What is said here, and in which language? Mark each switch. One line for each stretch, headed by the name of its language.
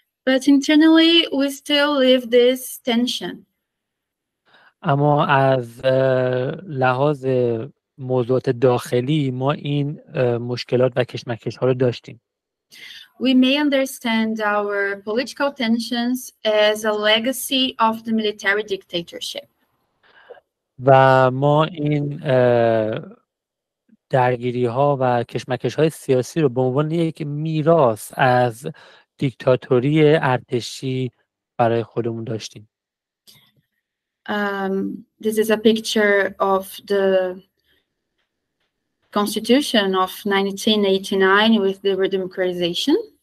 English: But internally we still live this tension.
Persian: اما از لحاظ موضوعات داخلی ما این مشکلات و کشمکش ها رو داشتیم.
English: We may understand our political tensions as a legacy of the military dictatorship.
Persian: و ما این درگیری ها و کشمکش های سیاسی رو به عنوان یک میراث از دیکتاتوری ارتشی برای خودمون داشتیم.
English: This is a picture of the constitution of 1989 with the redemocratization.